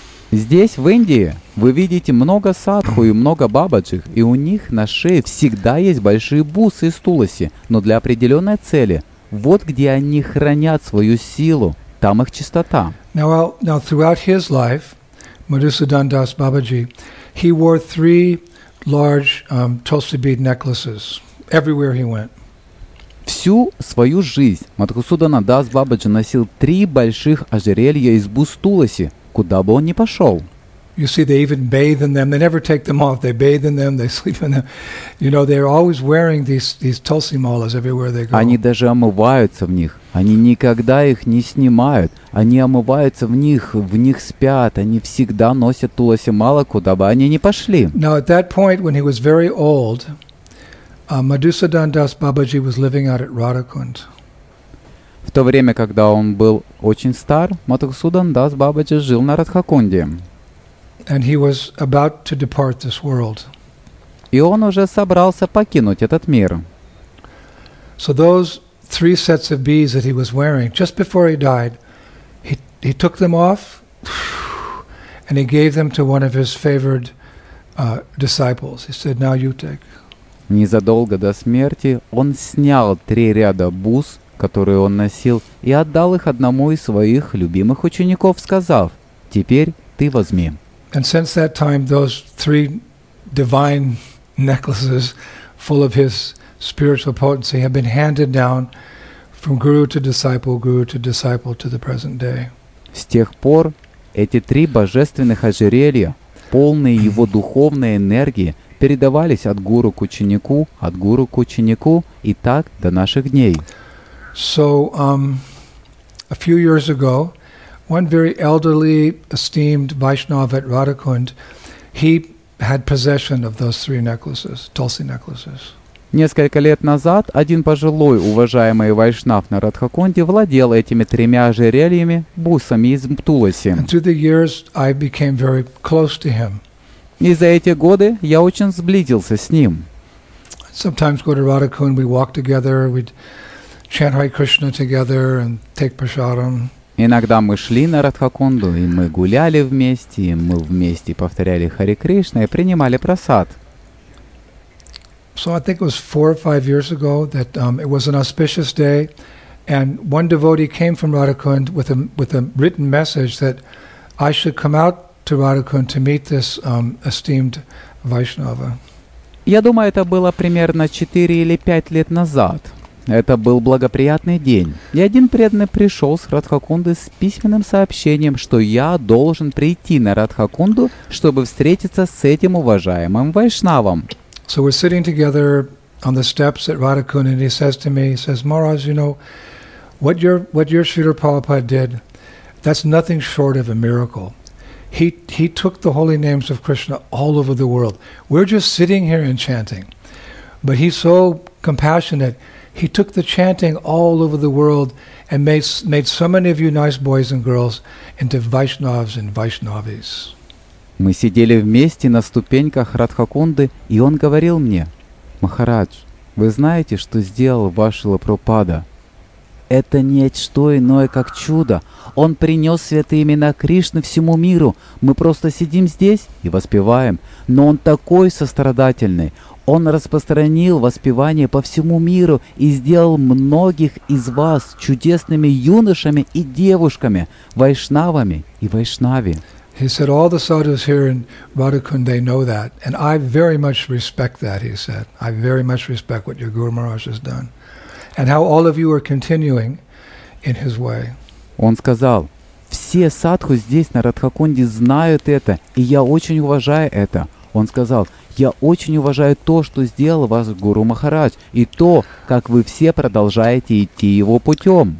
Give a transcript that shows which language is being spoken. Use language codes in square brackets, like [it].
[ru] Здесь, в Индии, вы видите много садху и много бабаджих, и у них на шее всегда есть большие бусы из туласи, но для определенной цели, вот где они хранят свою силу, там их чистота. [en] Now throughout his life, Madhusudan Das Babaji, he wore three large tulsi bead necklaces everywhere he went. [ru] Всю свою жизнь Мадхусудана Дас Бабаджи носил три больших ожерелья из бус туласи, куда бы он ни пошел. [en] You see, they even bathe in them. They never take them off. They bathe in them. They sleep in them. You know, they're always wearing these tulsi malas everywhere they go. [ru] Они даже омываются в них. Они никогда их не снимают. Они омываются в них спят. Они всегда носят туласи мала, куда бы они ни пошли. [en] Now, at that point, when he was very old, Madhusudan Das Babaji was living out at Radhakund. [ru] В то время, когда он был очень стар, Мадхусудан Дас Бабаджи жил на Радхакунде. [en] And he was about to depart this world. [ru] И он уже собрался покинуть этот мир. [en] So those three sets of beads that he was wearing just before he died, he took them off and he gave them to one of his favored disciples. He said, "Now you take." [ru] Незадолго до смерти он снял три ряда бус, которые он носил, и отдал их одному из своих любимых учеников, сказав, «Теперь ты возьми». [en] And since that time, those three divine necklaces full of his spiritual potency have been handed down from guru to disciple to the present day. [ru] С тех пор эти три божественных ожерелья, полные его духовной энергии, передавались от гуру к ученику, от гуру к ученику, и так до наших дней. [en] So, a few years ago, one very elderly, esteemed Vaishnava at Radhakund, he had possession of those three necklaces, tulsi necklaces. [ru] Несколько лет назад один пожилой, уважаемый вайшнав на Радхакунде владел этими тремя ожерельями, бусами из туласи. [en] And through the years, I became very close to him. [ru] И за эти годы я очень сблизился с ним. [en] Sometimes go to Radhakund, we walk together, we'd chant Hare Krishna together and take prasadam. [ru] Иногда мы шли на Радхакунду, и мы гуляли вместе, и мы вместе повторяли Хари Кришна и принимали прасад. [en] So I think it was 4 or 5 years ago that it was an auspicious day, and one devotee came from Radhakund with a written message that I should come out to Radhakund to meet this esteemed Vaishnava. [ru] Я думаю, это было примерно 4 или 5 лет назад. Это был благоприятный день, и один преданный пришел с Радхакунды с письменным сообщением, что я должен прийти на Радхакунду, чтобы встретиться с этим уважаемым вайшнавом. [en] So we're sitting together on the steps at Radhakund, and he says to me, he says, "Maharaj, you know, what your Śrīla Prabhupāda did, that's nothing short of a miracle. He took the holy names of Krishna all over the world. We're just sitting here and chanting, but he's so compassionate. He took the chanting all over the world and made so many of you nice boys and girls into Vaishnavs and Vaishnavis." [ru] Мы сидели вместе на ступеньках Радхакунды, и он говорил мне: «Махарадж, вы знаете, что сделал ваш Прабхупада? Это не что иное, как чудо. Он принес святые имена Кришны всему миру. Мы просто сидим здесь и воспеваем. Но он такой сострадательный. Он распространил воспевание по всему миру и сделал многих из вас чудесными юношами и девушками, вайшнавами и вайшнави». [en] He said, all the sadhus here in Radhakund, they know that. And I very much respect that, he said. I very much respect what your Guru Maharaj has done. And how all of you are continuing in his way. [ru] Он сказал, все садху здесь, на Радхакунде, знают это, и я очень уважаю это. Он сказал, я очень уважаю то, что сделал вас Гуру Махарадж, и то, как вы все продолжаете идти его путем.